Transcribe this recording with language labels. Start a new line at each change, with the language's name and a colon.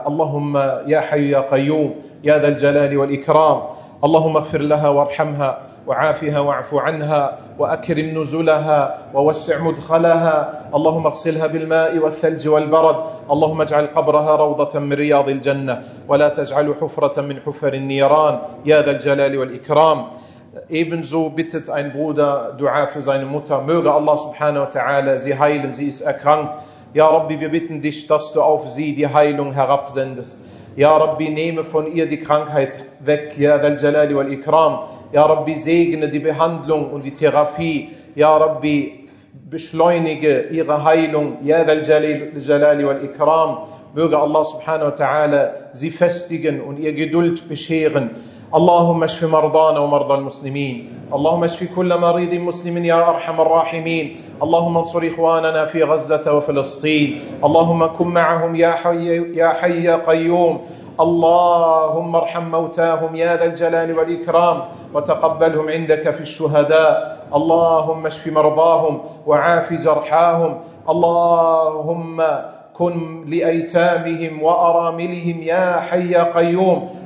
Arabic: اللهم يا حي يا قيوم يا ذا الجلال والإكرام، اللهم اغفر لها وارحمها وعافها واعف عنها وأكرم نزلها ووسع مدخلها، اللهم اغسلها بالماء والثلج والبرد، اللهم اجعل قبرها روضة من رياض الجنة ولا تجعل حفرة من حفر النيران يا ذا الجلال والإكرام.
German: Ebenso bittet ein Bruder Dua für seine Mutter. Möge Allah
Arabic: subhanahu wa ta'ala
German: sie heilen, sie ist erkrankt. Ja Rabbi, wir bitten dich, dass du auf sie die Heilung herabsendest. Ja Rabbi, nehme von ihr die Krankheit weg.
Arabic: Ja Dhal Jalali wal Ikram.
German: Ja Rabbi, segne die Behandlung und die Therapie. Ja Rabbi, beschleunige ihre Heilung.
Arabic: Ja Dhal Jalali wal Ikram.
German: Möge Allah
Arabic: subhanahu wa ta'ala
German: sie festigen und ihr Geduld bescheren.
Arabic: اللهم اشف مرضانا ومرضى المسلمين، اللهم اشف كل مريض مسلم يا ارحم الراحمين، اللهم انصر اخواننا في غزه وفلسطين، اللهم كن معهم يا حي يا قيوم، اللهم ارحم موتاهم يا ذا الجلال والاكرام، وتقبلهم عندك في الشهداء، اللهم اشف مرضاهم وعاف جرحاهم، اللهم كن لايتامهم وارملهم يا حي يا قيوم.